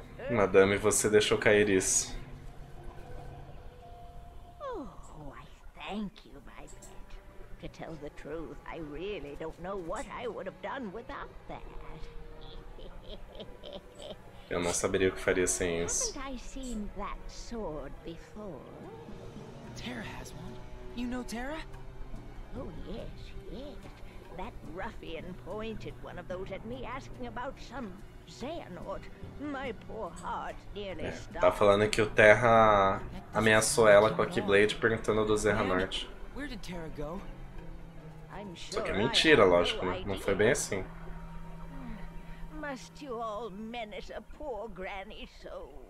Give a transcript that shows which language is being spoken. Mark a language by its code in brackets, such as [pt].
[pt] Madame, você deixou cair isso. [en] Oh, I thank you, my pet. To tell the truth, I really don't know what I would have done without that. [pt] Eu não saberia o que faria sem isso. [en] Haven't I seen that sword before? Terra has one. You know Terra? Oh yes, yes. That ruffian pointed one of those at me asking about some Xehanort. My poor heart nearly stopped. [pt] Tá falando que o Terra ameaçou ela com a Keyblade perguntando do Xehanort. [en] Where did Terra go? I'm sure. [pt] Só que é mentira, lógico, não foi bem assim. [en] Must you all menace a poor granny so?